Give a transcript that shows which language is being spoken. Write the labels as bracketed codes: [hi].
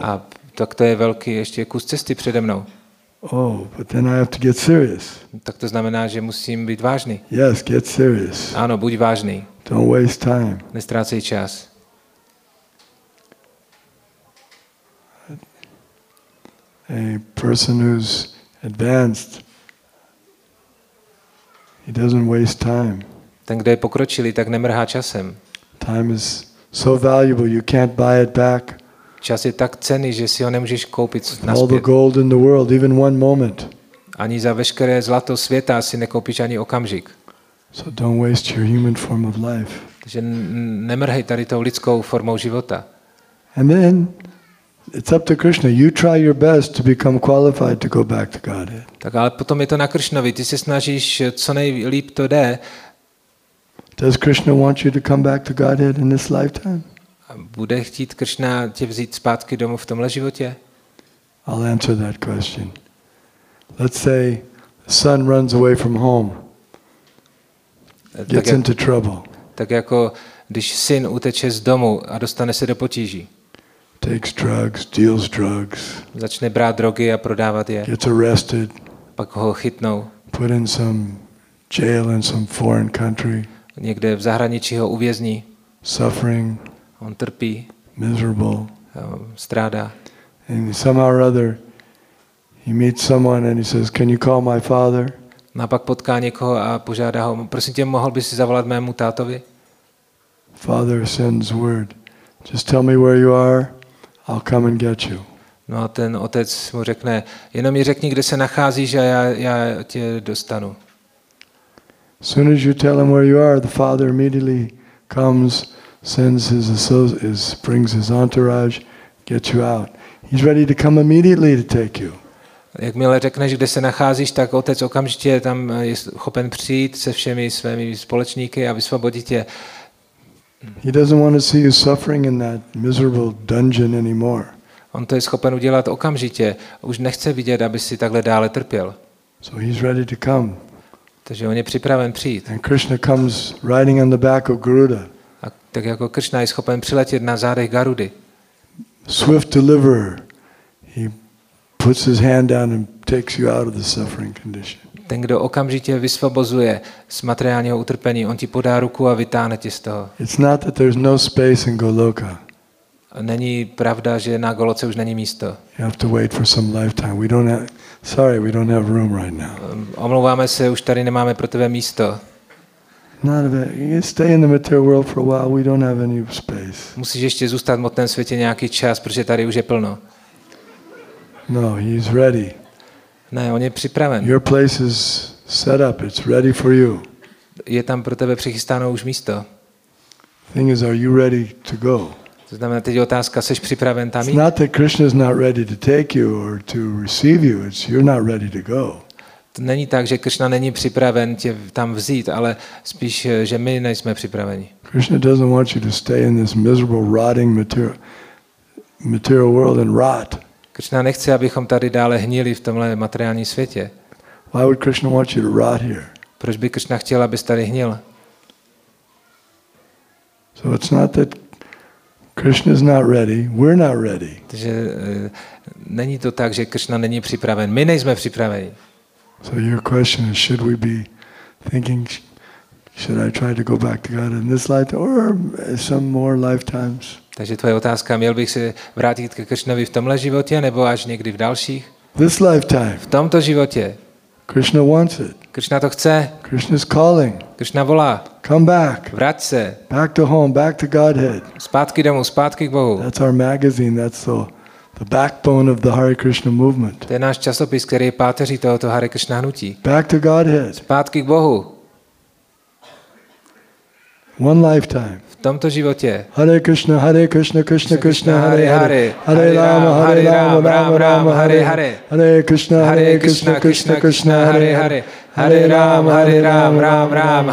[cs] A tak to je velký ještě kus cesty přede mnou. [en] Oh, but then I have to get serious. [cs] Tak to znamená, že musím být vážný. [en] Yes, get serious. [cs] Ano, buď vážný. [en] Don't waste time. [cs] Nestrácej čas. [en] A person who's advanced, he doesn't waste time. [cs] Ten, kdo je pokročilý, tak nemrhá časem. [en] Time is so valuable, you can't buy it back. [cs] Čas je tak cenný, že si ho nemůžeš koupit nazpět. [en] All the gold in the world, even one moment. [cs] Ani za veškeré zlato světa si nekoupíš ani okamžik. [en] So don't waste your human form of life. [cs] Takže nemrhej tady tou lidskou formou života. [en] And then it's up to Krishna. You try your best to become qualified to go back to Godhead. [cs] Tak ale potom je to na Krishnovi. Ty se snažíš co nejlíp to jde. [en] Does Krishna want you to come back to Godhead in this lifetime? [cs] Bude chtít Krishna tě vzít zpátky domů v tomhle životě? [en] I'll answer that question. Let's say the son runs away from home. Gets into trouble. [cs] Tak jako když syn uteče z domu a dostane se do potíží. [en] Takes drugs, deals drugs. [cs] Začne brát drogy a prodávat je. [en] Gets arrested. [cs] Pak ho chytnou. [en] Put in some jail in some foreign country. [cs] Někde v zahraničí ho uvězní. [en] Suffering. [cs] On trpí. [en] Miserable. [cs] Strádá. [en] And somehow or other he meets someone and he says, "Can you call my father?" [cs] A pak potká někoho a požádá ho, prosím tě, mohl bys si zavolat mému tátovi? [en] Father sends word, "Just tell me where you are. I'll come and get you." [cs] No a ten otec mu řekne, jenom mi řekni, kde se nacházíš a já tě dostanu. [en] As soon as you tell him where you are, the father immediately comes, sends his associates, brings his entourage, gets you out. He's ready to come immediately to take you. [cs] Jakmile řekneš, kde se nacházíš, tak otec okamžitě tam je schopen přijít se všemi svými společníky a vysvobodí tě. [en] He doesn't want to see you suffering in that miserable dungeon anymore. [cs] On to je schopen udělat okamžitě. Už nechce vidět, aby si takhle dále trpěl. [en] So he's ready to come. [cs] Takže on je připraven přijít. [en] And Krishna comes riding on the back of Garuda. [cs] A tak jako Krishna je schopen přiletět na zádech Garudy. [en] Swift deliverer. He puts his hand down and takes you out of the suffering condition. [cs] Ten, kdo okamžitě vysvobozuje z materiálního utrpení, on ti podá ruku a vytáhne tě z toho. [en] It's not that there's no space in Goloka. [cs] Není pravda, že na Goloce už není místo. [en] You have to wait for some lifetime. We don't have room right now. [cs] Omlouváme se, už tady nemáme pro tebe místo. [en] Stay in the material world for a while. We don't have any space. [cs] Musíš ještě zůstat v hmotném světě nějaký čas, protože tady už je plno. [en] No, he's ready. [cs] Ne, on je připraven. [en] Your place is set up. It's ready for you. [cs] Je tam pro tebe přichystáno už místo. [en] Thing is, are you ready to go? [cs] To znamená, teď je otázka, seš připraven tam jít? [en] It's not that Krishna is not ready to take you or to receive you, it's you're not ready to go. [cs] To není tak, že Krishna není připraven tě tam vzít, ale spíš, že my nejsme připraveni. [en] Krishna doesn't want you to stay in this miserable rotting material world and rot. [cs] Krishna nechce, abychom tady dále hnili v tomhle materiálním světě. [en] Why would Krishna want you to rot here? [cs] Proč by Krishna chtěl, abys tady hnil? [en] So it's not that Krishna is not ready. We're not ready. [cs] Takže není to tak, že Krishna není připraven. My nejsme připraveni. [en] So your question is, should we be thinking, should I try to go back to God in this life or some more lifetimes? [cs] Takže tvoje otázka, měl bych se vrátit ke Krishnovi v tomhle životě nebo až někdy v dalších? [en] this lifetime. [cs] V tomto životě. [en] Krishna wants it. [cs] Krishna to chce. [en] Krishna's calling. [cs] Krishna volá. [en] Come back. [cs] Vrať se. [en] Back to home, back to Godhead. [cs] Zpátky domů, zpátky k Bohu. [en] That's our magazine, that's the backbone of the Hare Krishna movement. [cs] To je náš časopis, který je páteří tohoto Hare Krishna hnutí. [en] Back to Godhead. [cs] Zpátky k Bohu. [en] One lifetime. [cs] V tomto životě. [sa] Hare Krishna, Hare Krishna, Krishna Krishna, Hare Hare. Hare Rama, Hare Rama, Rama Rama, Hare Hare. Hare Krishna, Hare Krishna, Krishna Krishna, Hare Hare. Hare Rama, Hare Rama, Rama Rama,